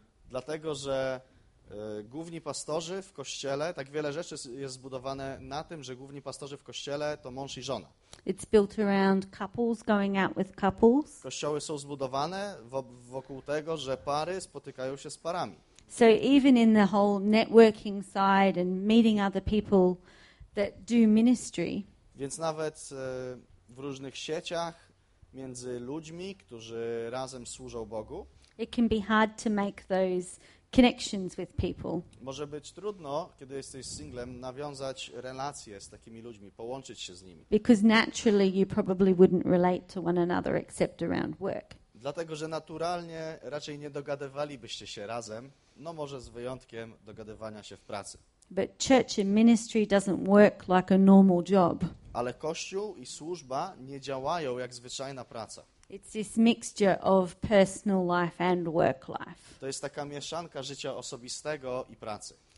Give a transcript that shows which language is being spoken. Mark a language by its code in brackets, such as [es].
[pl] Dlatego, że główni pastorzy w kościele, tak wiele rzeczy jest zbudowane na tym, że główni pastorzy w kościele to mąż i żona. [en] It's built around couples going out with couples. [pl] Kościoły są zbudowane wokół tego, że pary spotykają się z parami. [en] So even in the whole networking side and meeting other people that do ministry. [pl] Więc nawet w różnych sieciach między ludźmi, którzy razem służą Bogu. [en] It can be hard to make those connections with people. [pl] Może być trudno, kiedy jesteś singlem, nawiązać relacje z takimi ludźmi, połączyć się z nimi. [en] Because naturally you probably wouldn't relate to one another except around work. [pl] Dlatego, że naturalnie raczej nie dogadywalibyście się razem, no może z wyjątkiem dogadywania się w pracy. [en] But church and ministry doesn't work like a normal job. [pl] Ale kościół i służba nie działają jak zwyczajna praca. [en] It's this mixture of personal life and work life. [pl] To jest taka mieszanka życia osobistego i pracy.